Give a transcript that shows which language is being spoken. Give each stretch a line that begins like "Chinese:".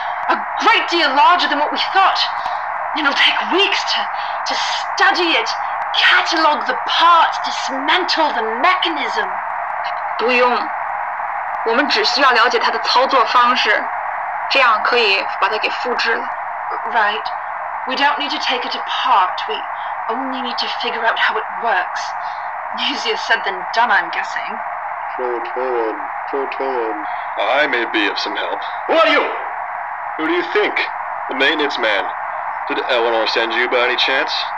English: A great deal larger than what we thought. It'll take weeks to study it, catalogue the parts, dismantle the mechanism.
Chinese: 不用，我们只需要了解它的操作方式，这样可以把它给复制了。
English: Right. We don't need to take it apart. We only need to figure out how it works. Easier said than done, I'm guessing. Croa-to-an. I may be of some help. Who are you? Who do you think? The maintenance man. Did Eleanor send you by any chance?